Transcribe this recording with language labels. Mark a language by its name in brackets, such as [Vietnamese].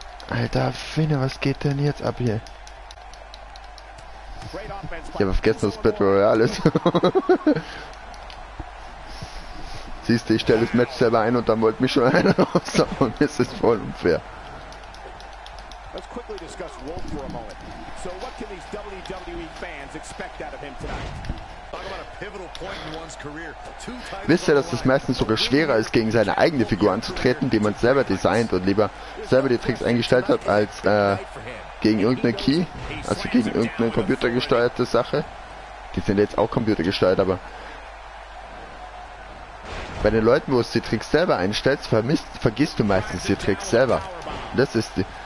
[German] Alter, Finne, was geht denn jetzt ab hier? Ich habe vergessen, dass Battle Royale ist. Siehst du, ich stelle das Match selber ein und dann wollte mich schon einer raushauen. Das ist voll unfair. [English] Let's quickly discuss Wolf for a moment. So what can these WWE fans expect out of him tonight? Talk about a pivotal point in one's career. [German] Wisst ihr, dass es meistens sogar schwerer ist, gegen seine eigene Figur anzutreten, die man selber designt und lieber selber die Tricks eingestellt hat, als gegen irgendeine Key, also gegen irgendeine computergesteuerte Sache. Die sind jetzt auch computergesteuert, aber bei den Leuten, wo es die Tricks selber einstellt, vergisst du meistens die Tricks selber. Das ist die.